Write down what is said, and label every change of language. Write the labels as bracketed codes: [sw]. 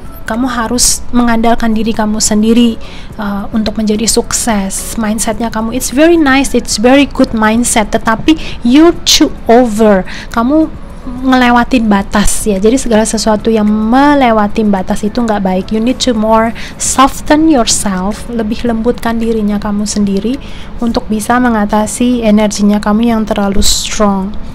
[id] Kamu harus mengandalkan diri kamu sendiri untuk menjadi sukses. Mindsetnya kamu, [en] it's very nice, it's very good mindset, tetapi you're too over. [id] Kamu ngelewatin batas ya. Jadi segala sesuatu yang melewatin batas itu nggak baik. [en] You need to more soften yourself, [id] lebih lembutkan dirinya kamu sendiri untuk bisa mengatasi energinya kamu yang terlalu strong.